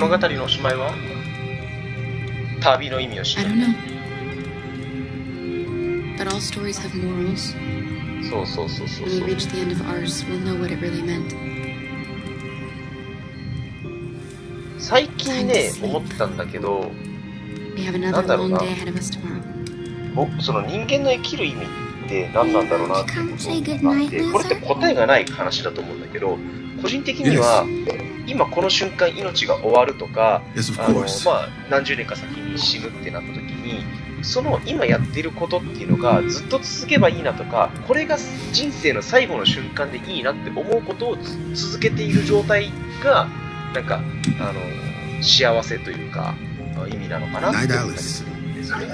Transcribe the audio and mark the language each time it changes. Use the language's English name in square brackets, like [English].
[Japanese] 物語のおしまいは旅の意味を知る。 [English] But all stories have morals. [Japanese] そう。 [English] When we reach the end of ours, we'll know what it really meant. [Japanese] 最近ね、思ってたんだけど、なんだろうな。僕、その人間の生きる意味って何なんだろうなって思って、これって答えがない話だと思うんだけど、個人的には、今この瞬間命が終わるとか、何十年か先に死ぬってなった時に、その今やってることっていうのがずっと続けばいいなとか、これが人生の最後の瞬間でいいなって思うことを続けている状態がなんか幸せというか意味なのかなって思ったりするんですよね。